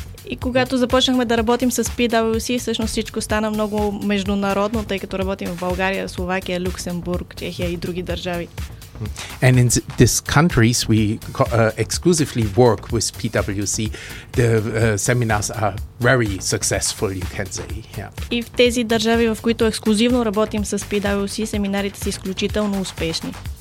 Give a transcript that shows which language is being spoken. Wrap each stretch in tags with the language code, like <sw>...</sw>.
<bg>И когато започнахме да работим с PwC, всъщност всичко стана много международно, тъй като работим в България, Словакия, Люксембург, Чехия и други държави.</bg> <en>And in these countries we exclusively work with PwC, the seminars are very successful, you can say. Yeah.</en> <bg>И в тези държави, в които ексклюзивно работим с PwC, семинарите са изключително успешни.</bg>